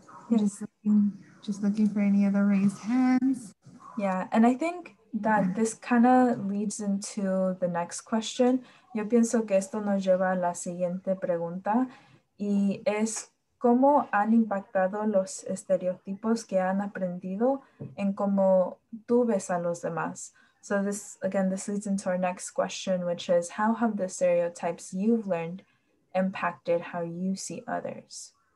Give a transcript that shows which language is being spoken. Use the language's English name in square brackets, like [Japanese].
[English] Yes. Just looking for any other raised hands. Yeah, and I think that this kind of leads into the next question. [Spanish] Yo pienso que esto nos lleva a la siguiente pregunta y es cómo han impactado los estereotipos que han aprendido en cómo tú ves a los demás. [English] So this leads into our next question, which is how have the stereotypes you've learned impacted how you see others?